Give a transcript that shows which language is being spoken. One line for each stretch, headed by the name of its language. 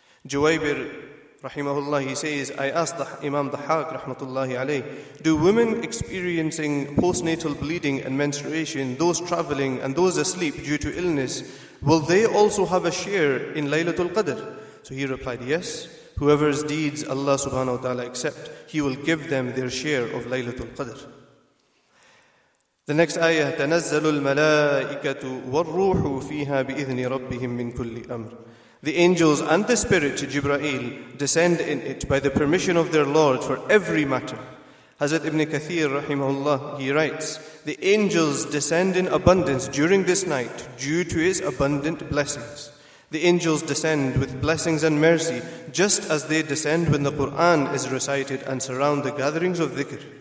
English: Juwaybir, rahimahullah, he says, "I asked the Imam Dhahhak, rahmatullahi alayh, do women experiencing postnatal bleeding and menstruation, those traveling and those asleep due to illness, will they also have a share in Laylatul Qadr?" So he replied, "Yes, whoever's deeds Allah subhanahu wa ta'ala accept, He will give them their share of Laylatul Qadr." The next ayah,
Arabic: تَنَزَّلُ الْمَلَائِكَةُ وَالْرُوحُ فِيهَا بِإِذْنِ رَبِّهِمْ مِنْ كُلِّ أَمْرِ.
English: The angels and the spirit, Jibra'il, descend in it by the permission of their Lord for every matter. Hazrat Ibn Kathir, rahimahullah, he writes, "The angels descend in abundance during this night due to His abundant blessings. The angels descend with blessings and mercy just as they descend when the Qur'an is recited and surround the gatherings of dhikr.